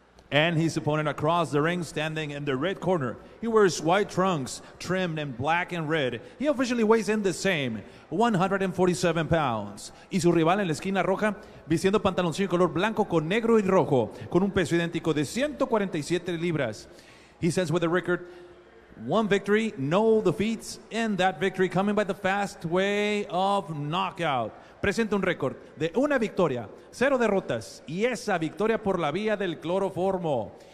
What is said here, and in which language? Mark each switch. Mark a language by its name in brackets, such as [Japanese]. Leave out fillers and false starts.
[English] And his opponent across the ring, standing in the red corner. He wears white trunks, trimmed in black and red. He officially weighs in the same, 147 pounds. [Spanish] Y su rival en la esquina roja, vistiendo pantaloncillo color blanco con negro y rojo, con un peso idéntico de 147 libras. [English] He says with a record, one victory, no defeats, and that victory coming by the fast way of knockout. [Spanish] Presenta un récord de una victoria, cero derrotas, y esa victoria por la vía del cloroformo.